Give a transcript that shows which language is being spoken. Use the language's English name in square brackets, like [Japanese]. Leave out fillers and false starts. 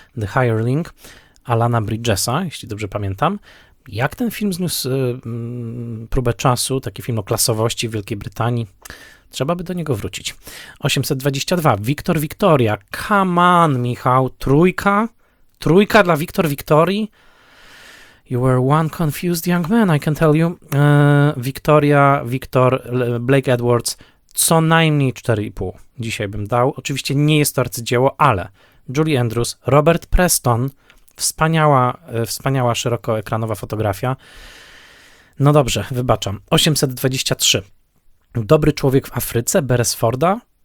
[Polish] The Hireling Alana Bridgesa, jeśli dobrze pamiętam. Jak ten film zniósł próbę czasu, taki film o klasowości w Wielkiej Brytanii? Trzeba by do niego wrócić. 822. Wiktor Wiktoria. [English] Come on, Michał. [Polish] Trójka? Trójka dla Wiktor Wiktorii? [English] You were one confused young man, I can tell you. [Polish] Wiktoria, Wiktor, Blake Edwards. Co najmniej 4,5 dzisiaj bym dał. Oczywiście nie jest to arcydzieło, ale Julie Andrews, Robert Preston. Wspaniała szerokoekranowa fotografia. No dobrze, wybaczam. 823. Dobry człowiek w Afryce, Beresforda?